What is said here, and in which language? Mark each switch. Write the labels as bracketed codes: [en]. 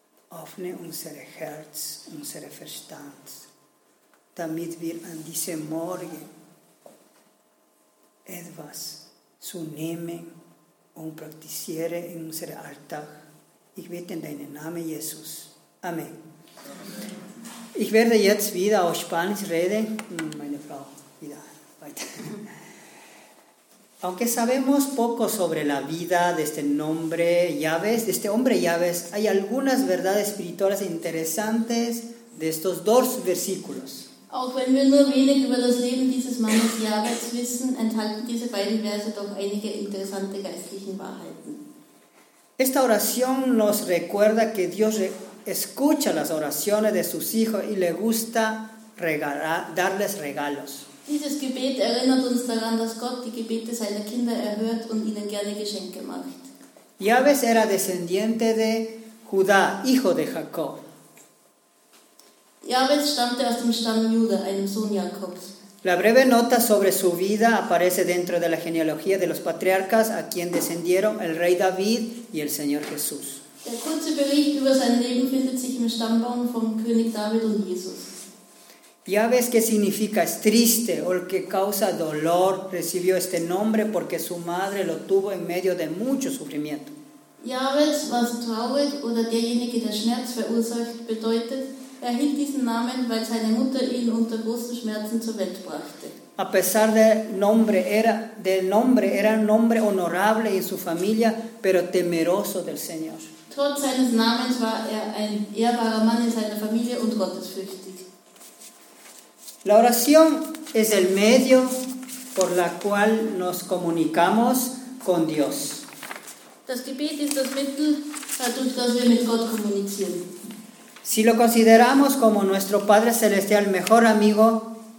[de] Öffne unser Herz, unser Verstand, damit wir an diesem Morgen etwas zu nehmen und praktizieren in unserem Alltag. Ich bitte in deinem Namen, Jesus. Amen. Ich werde jetzt wieder auf Spanisch reden. Meine Frau, wieder weiter. [es] Aunque sabemos poco sobre la vida de este nombre Jabez, de este hombre Jabez, hay algunas verdades espirituales interesantes de estos dos versículos. [de] Auch wenn wir nur wenig über das Leben dieses Mannes Jabez wissen, enthalten diese beiden Verse doch einige interessante geistliche Wahrheiten. [es] Esta oración nos recuerda que Dios escucha las oraciones de sus hijos y le gusta darles regalos. [de] Dieses Gebet erinnert uns daran, dass Gott die Gebete seiner Kinder erhört und ihnen gerne Geschenke macht. [es] Jabez era descendiente de Judá, hijo de Jacob. [de] Jabez stammte aus dem Stamm Judah, einem Sohn Jakobs. [es] La breve nota sobre su vida aparece dentro de la genealogía de los patriarcas a quien descendieron el rey David y el Señor Jesús. [de] Der kurze Bericht über sein Leben findet sich im Stammbaum vom König David und Jesus. [es] Jabez, que significa es triste o el que causa dolor, recibió este nombre porque su madre lo tuvo en medio de mucho sufrimiento. [de] Jabez, was traurig oder derjenige, der Schmerz verursacht, bedeutet, erhielt diesen Namen, weil seine Mutter ihn unter großen Schmerzen zur Welt brachte. [es] A pesar del nombre era un nombre honorable en su familia, pero temeroso del Señor. [de] Trotz seines Namens war ein ehrbarer Mann in seiner Familie und gottesfürchtig. [es] La oración es el medio por la cual nos comunicamos con Dios. [de] Das Gebet ist das Mittel, durch das wir mit Gott kommunizieren. [es] Si lo consideramos como nuestro Padre Celestial mejor amigo,